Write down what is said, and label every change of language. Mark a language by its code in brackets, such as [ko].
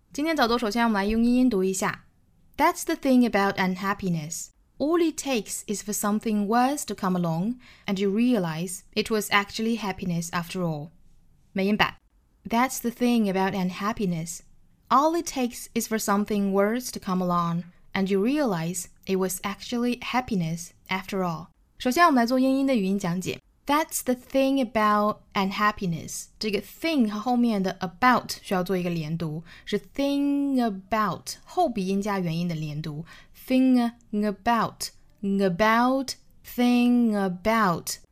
[zh] 今天早读首先我们来用英音读一下 [en] That's the thing about unhappiness. All it takes is for something worse to come along and you realize it was actually happiness after all. [zh] 美音版 [en] That's the thing about unhappiness. All it takes is for something worse to come along and you realize it was actually happiness after all. [zh] 首先我们来做英音的语音讲解 [en] That's the thing about unhappiness. [zh] 这个 thing 和后面的 about 需要做一个连读，是 thing about 后鼻音加元音的连读。 [en] Thing about, about, thing about.